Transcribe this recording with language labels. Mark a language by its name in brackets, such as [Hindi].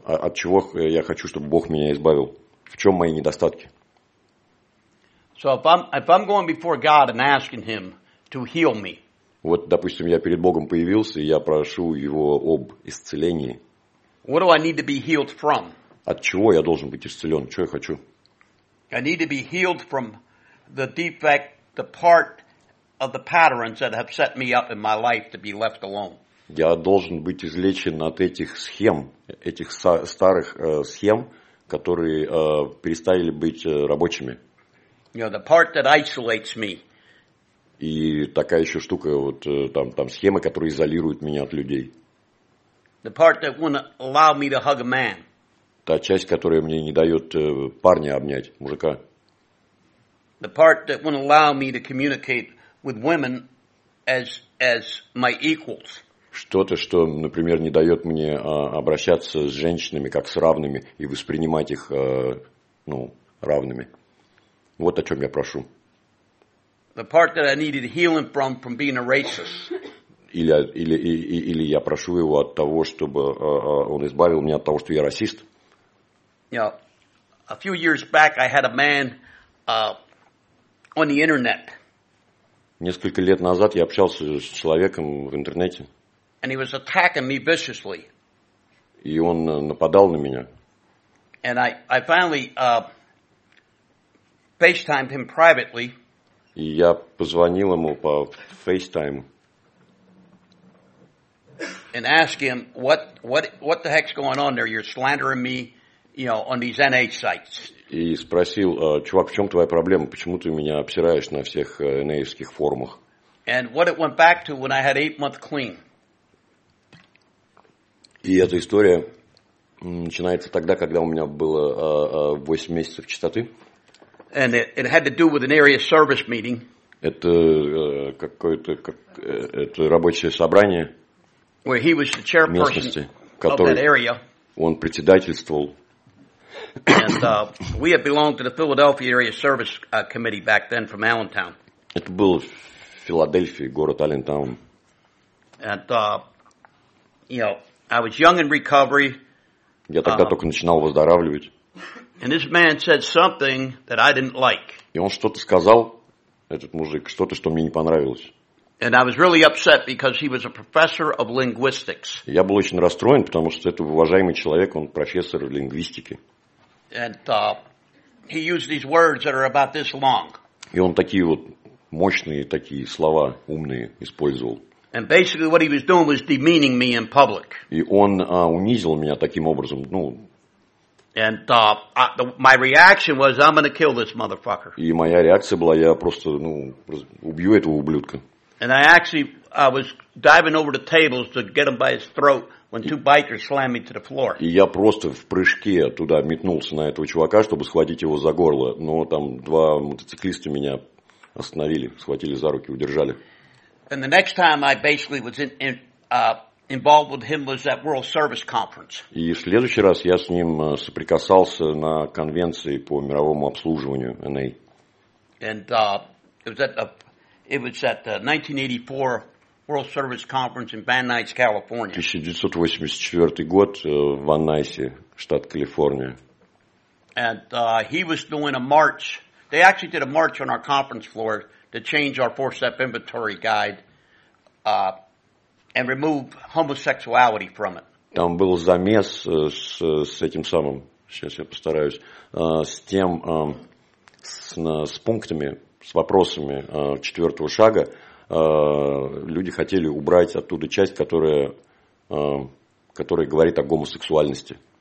[Russian] От чего я хочу, чтобы Бог меня избавил? В чем мои недостатки? [English] So if I'm going before God and asking Him to heal me. [Russian] Вот, допустим, я перед Богом появился, и я прошу Его об исцелении. [English] What do I need to be healed from? [Russian] От чего я должен быть исцелен? Чего я хочу? [English] I need to be healed from the defect, the part of the patterns that have set me up in my life to be left alone. [Russian] Я должен быть излечен от этих схем, этих старых схем, которые перестали быть рабочими. [English] You know, the part that isolates me. [Russian] И такая еще штука, вот там схемы, которые изолируют меня от людей. [English] The part that won't allow me to hug a man. [Russian] Та часть, которая мне не дает парня обнять, мужика. [English] The part that won't allow me to communicate with women as my equals. [Russian] Что-то, что, например, не дает мне обращаться с женщинами как с равными и воспринимать их, ну, равными. Вот о чем я прошу. [English] The part that I needed healing from being a racist. [Russian] Или я прошу его от того, чтобы он избавил меня от того, что я расист. [English] You know, a few years back I had a man on the internet. [Russian] Несколько лет назад я общался с человеком в интернете. [English] And he was attacking me viciously. [Russian] И он нападал на меня. [English] And I finally FaceTimed him privately. [Russian] И я позвонил ему по FaceTime. [English] And ask him what the heck's going on there? You're slandering me, you know, on these NH sites. [Russian] И спросил, чувак, в чем твоя проблема? Почему ты меня обсираешь на всех NH-ских форумах? [English] And what it went back to when I had 8 month clean. [Russian] И эта история начинается тогда, когда у меня было 8 месяцев чистоты. [English] And it had to do with an area service meeting. [Russian] Это какое-то рабочее собрание. [English] Where he was the chairperson of that area. [Russian] Он председательствовал. [English] And we had belonged to the Philadelphia Area Service Committee back then from Allentown. [Russian] Это был Филадельфия, город Аллентаун. [English] And, you know, I was young in recovery. [Russian] Я тогда только начинал выздоравливать. [English] And this man said something that I didn't like. [Russian] И он что-то сказал, этот мужик, что-то, что мне не понравилось. [English] And I was really upset because he was a professor of linguistics. [Russian] Я был очень расстроен, потому что это уважаемый человек, он профессор лингвистики. [English] And he used these words that are about this long. [Russian] И он такие вот мощные такие слова умные использовал. [English] And basically what he was doing was demeaning me in public. [Russian] И он унизил меня таким образом, ну. [English] And my reaction was I'm going to kill this motherfucker. [Russian] И моя реакция была я просто, ну, убью этого ублюдка. [English] And I was diving over the tables to get him by his throat when two bikers slammed me to the floor. [Russian] И я просто в прыжке туда метнулся на этого чувака, чтобы схватить его за горло, но там два мотоциклиста меня остановили, схватили за руки, удержали. [English] And the next time I basically was involved with him was at World Service Conference. [Russian] И в следующий раз я с ним соприкасался на конвенции по мировому обслуживанию NA. [English] And it was at the 1984 World Service Conference in Van Nuys, California. [Russian] 1984 год в Ван-Найсе, штат Калифорния. [English] And he was doing a march. They actually did a march on our conference floor to change our four-step inventory guide and remove homosexuality from it. [Russian] Там был замес с этим самым. Сейчас я постараюсь с тем с пунктами, с вопросами четвертого шага. Люди хотели убрать оттуда часть, которая говорит о гомосексуальности.